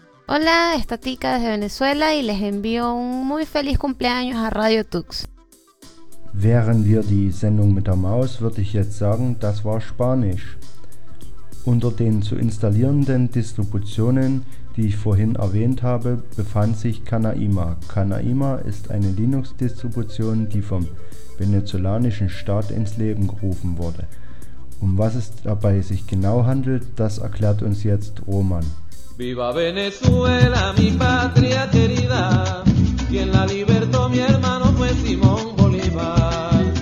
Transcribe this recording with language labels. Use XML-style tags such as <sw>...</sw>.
<es>Hola, está Tika desde Venezuela y les envío un muy feliz cumpleaños a Radio Tux.</es> <de>Während wir die Sendung mit der Maus, würde ich jetzt sagen, das war Spanisch. Unter den zu installierenden Distributionen, die ich vorhin erwähnt habe, befand sich Canaima. Canaima ist eine Linux-Distribution, die vom venezolanischen Staat ins Leben gerufen wurde. Um was es dabei sich genau handelt, das erklärt uns jetzt Roman.</de> <es>Viva Venezuela, mi patria querida, quien la libertó, mi hermano, fue Simón Bolívar.</es>